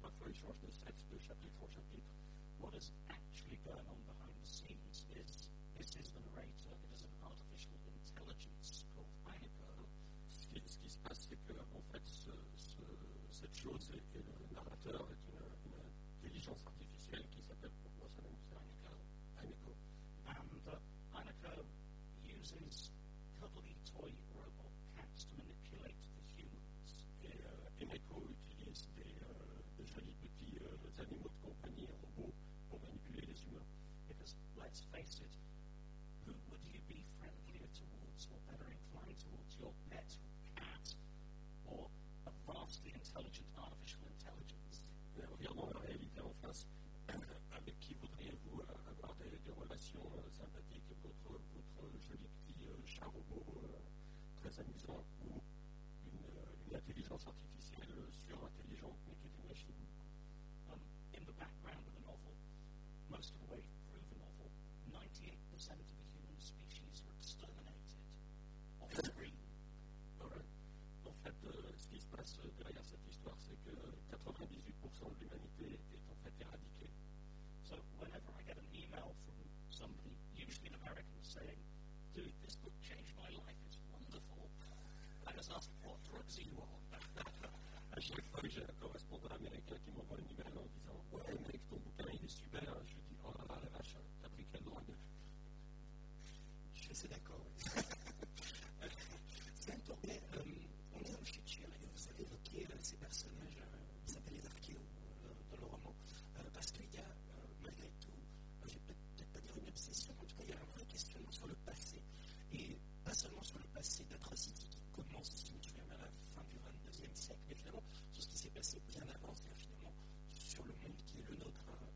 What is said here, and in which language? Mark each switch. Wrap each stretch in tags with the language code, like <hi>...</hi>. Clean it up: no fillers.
<en>What is actually going on behind the scenes is this is the narrator, it is an artificial intelligence called Heineke.</en> <fr>Ce qui se passe, c'est que en fait, cette chose, c'est que le narrateur est une intelligence artificielle qui s'appelle pour moi, ça nous dit Heineke.</fr> <en>And Heineke uses cuddly toy robot cats to manipulate the humans.</en> <fr>Heineke utilise des jolis petits animaux de compagnie, robots, pour manipuler les humains.</fr> <en>Because, let's face it, who would you be friendlier towards or better inclined towards, your pet or cat or a vastly intelligent artificial intelligence?</en> <fr>Mais regardons la réalité en face. Avec qui voudriez-vous avoir des relations sympathiques, votre joli petit chat robot très amusant ou une intelligence artificielle surintelligente mais qui est une machine?</fr> <en>In the background of the novel, most of the way through the novel, 98% of the human species are exterminated. Off screen. Alright.</en> <fr>En fait, ce qui se passe derrière cette histoire, c'est que 98% de l'humanité est en fait éradiquée.</fr> <en>So, whenever I get an email from somebody, usually an American, saying, "Dude, this book changed my life, it's wonderful," I just ask, "What drugs are you on?"</en> <fr>À chaque fois que j'ai un correspondant américain qui m'envoie une email en disant « Ouais, mec, ton bouquin, il est super !» Je lui dis « Oh là là, la vache, t'as pris quelle drogue ?» Je suis assez d'accord, oui. C'est un tour, mais on est dans le futur, et vous avez évoqué ces personnages, ils s'appellent les archéos dans le roman, parce qu'il y a, malgré tout, je vais peut-être pas dire une obsession, mais en tout cas, il y a un vrai questionnement sur le passé, et pas seulement sur le passé d'atrocité qui commence, si vous voulez, à la fin du 22e siècle, mais finalement, sur ce qui s'est passé bien avant, c'est-à-dire finalement, sur le monde qui est le nôtre.</fr>